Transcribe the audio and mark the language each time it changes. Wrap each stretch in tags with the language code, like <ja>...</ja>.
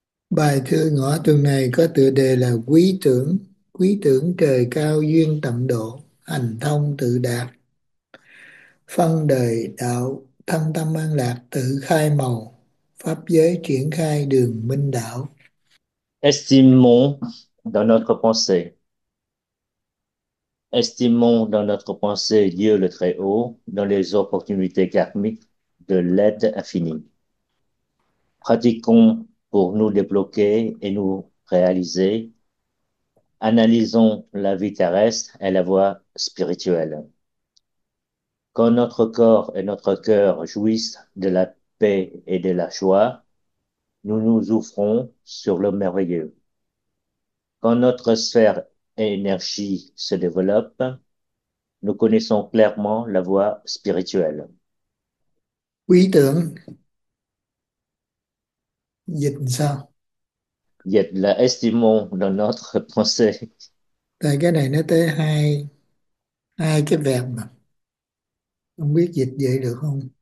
<vi>Bài thơ ngõ tuần này có tựa đề là quý tưởng trời cao duyên tận độ, hành thông tự đạt. Phân đời đạo, thân tâm an lạc tự khai màu, pháp giới triển khai đường minh đạo.</vi> <fr>Estimons dans notre pensée. Estimons dans notre pensée Dieu le Très-Haut dans les opportunités karmiques de l'aide infinie. Pratiquons pour nous débloquer et nous réaliser. Analysons la vie terrestre et la voie spirituelle. Quand notre corps et notre cœur jouissent de la paix et de la joie, nous nous ouvrons sur le merveilleux. Quand notre sphère et énergie se développent, nous connaissons clairement la voie spirituelle.</fr> <vi>Quý tưởng dịch sao?</vi> <fr>Yet là estimons dans notre pensée.</fr> <vi>Tại cái này nó tới hai hai cái verb mà không biết dịch vậy được không?</vi>